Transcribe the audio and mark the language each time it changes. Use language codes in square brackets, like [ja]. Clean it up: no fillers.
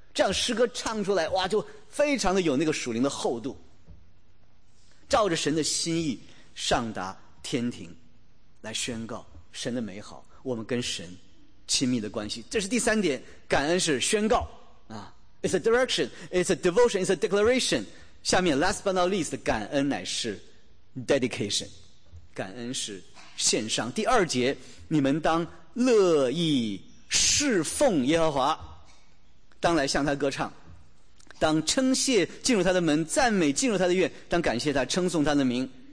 [zh] 这样诗歌唱出来，哇，就非常的有那个属灵的厚度，照着神的心意上达天庭，来宣告神的美好，我们跟神亲密的关系。这是第三点，感恩是宣告啊。 [en] It's a direction, it's a devotion, it's a declaration. [zh] 下面 [en] last but not least, [zh] 感恩乃是 dedication, 感恩是献上。第二节，你们当乐意侍奉耶和华，当来向他歌唱，当称谢进入他的门，赞美进入他的院，当感谢他，称颂他的名。